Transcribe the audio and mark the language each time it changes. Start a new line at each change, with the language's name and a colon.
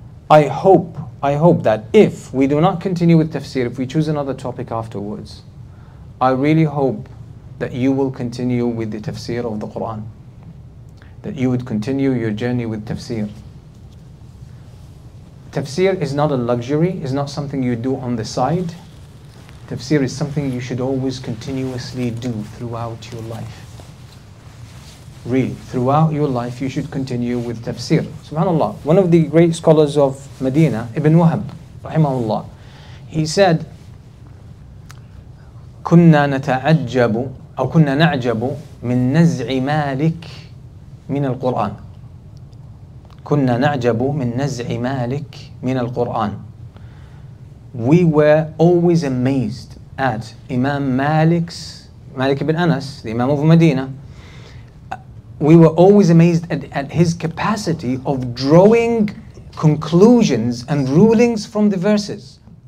English: I hope that if we do not continue with tafsir, if we choose another topic afterwards, I really hope that you will continue with the tafsir of the Quran, that you would continue your journey with tafsir. Tafsir is not a luxury, is not something you do on the side. Tafsir is something you should always continuously do throughout your life. Really, throughout your life you should continue with tafsir. Subhanallah, one of the great scholars of Medina, Ibn Wahab, rahimahullah, he said,
Arabic: كُنَّا نَتَعَجَّبُ أَوْ كُنَّا نَعْجَبُ مِنْ نَزْعِ مَالِكِ مِنَ الْقُرْآنِ كنا نعجب من نزع مالك من القرآن.
English: We were always amazed at Imam Malik ibn Anas, the Imam of Medina. We were always amazed at his capacity of drawing conclusions and rulings from the verses.